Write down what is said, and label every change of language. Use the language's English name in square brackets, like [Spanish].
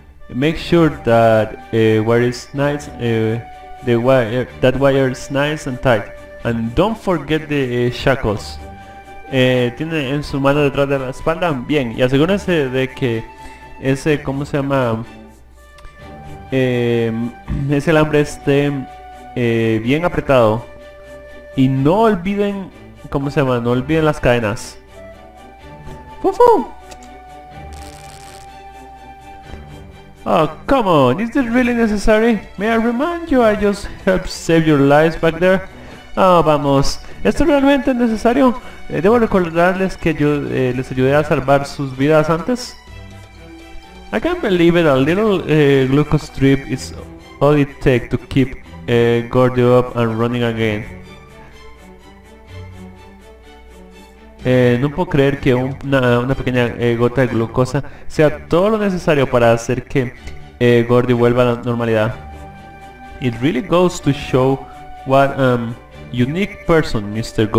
[English] Make sure that wire is nice and tight. And don't forget the shackles. [Spanish] Tiene en su mano detrás de la espalda. Bien, y asegúrese de que ese, ¿cómo se llama? Ese alambre esté bien apretado. Y no olviden, ¿cómo se llama? No olviden las cadenas. ¡Fufu! [English] Oh, come on, is this really necessary? May I remind you, I just helped save your lives back there. [Spanish] Oh, vamos, ¿esto realmente es necesario? Debo recordarles que yo les ayudé a salvar sus vidas antes. [English] I can't believe it, a little glucose strip is all it takes to keep Gordy up and running again. [Spanish] No puedo creer que una pequeña gota de glucosa sea todo lo necesario para hacer que Gordy vuelva a la normalidad. [English] It really goes to show what unique person Mr.